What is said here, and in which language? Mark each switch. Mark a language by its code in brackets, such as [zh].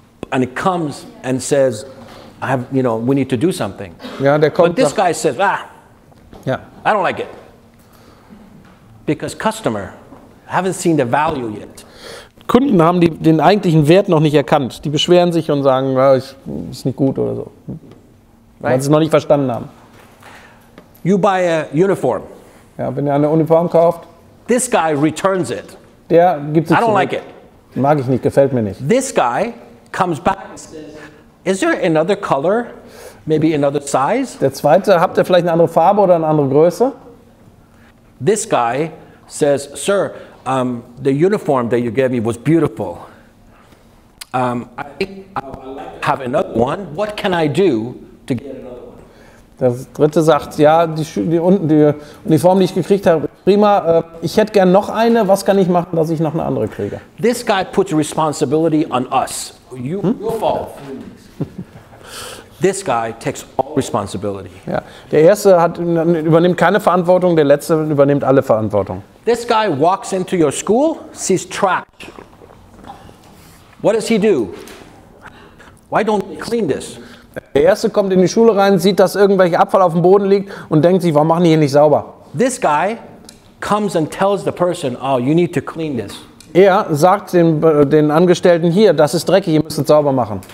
[en] And he comes and says, I have, you know, we need to do something. [de] Ja, der kommt. [en] But this guy says, ah, yeah. I don't like it. Because customer, I haven't seen the value yet. [de] Kunden haben den eigentlichen Wert noch nicht erkannt. Die beschweren sich und sagen, ist nicht gut oder so. Weil sie es noch nicht verstanden haben. [en] You buy a uniform. [de] Ja, wenn ihr eine Uniform kauft. [en] This guy returns it. [de] Der gibt es zurück. [en] I don't like it. [de] Mag ich nicht, gefällt mir nicht. [en] This guy comes back and says, is there another color? Maybe another size? [de] Der Zweite, habt ihr vielleicht eine andere Farbe oder eine andere Größe? [en] This guy says, sir, the uniform that you gave me was beautiful. I think I have another one. What can I do to get another one? [de] Der Dritte sagt, ja, die Uniform, die ich gekriegt habe, prima. Ich hätte gern noch eine. Was kann ich machen, dass ich noch eine andere kriege? [en] This guy puts responsibility on us. Your fault. This guy takes all responsibility. [de] Ja, der Erste übernimmt keine Verantwortung. Der Letzte übernimmt alle Verantwortung. [en] This guy walks into your school, sees trash. What does he do? Why don't they clean this? [de] Der Erste kommt in die Schule rein, sieht, dass irgendwelcher Abfall auf dem Boden liegt und denkt sich, warum machen die hier nicht sauber? [en] This guy comes and tells the person, oh, you need to clean this. [de] Er sagt den Angestellten hier, das ist dreckig, ihr müsst es sauber machen.